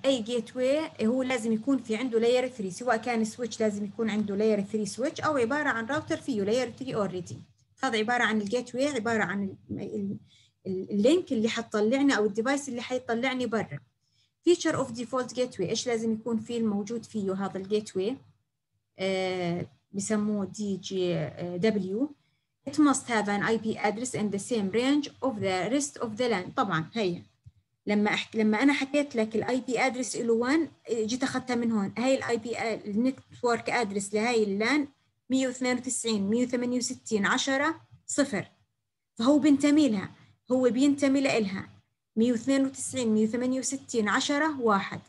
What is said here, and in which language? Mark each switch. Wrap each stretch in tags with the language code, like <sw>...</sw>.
<ar>اي جيت واي هو لازم يكون في عنده لاير 3، سواء كان سويتش لازم يكون عنده لاير 3 سويتش او عباره عن راوتر فيه لاير 3 اوريدي. هذا عباره عن الجيت واي، عباره عن اللينك اللي حتطلعني او الديفايس اللي حيطلعني برا. فيتشر اوف ديفولت جيت واي ايش لازم يكون فيه الموجود فيه هذا الجيت واي؟ بسموه دي جي دبليو.</ar> <en>It must have an IP address in the same range of the rest of the LAN.</en> <ar>طبعا هي لما انا حكيت لك الاي بي ادرس له 1 جيت اخذتها من هون، هي الاي بي النتورك ادرس لهي اللان 192.168.10.0 فهو بينتمي لها، هو بينتمي لإلها 192.168.10.1.</ar>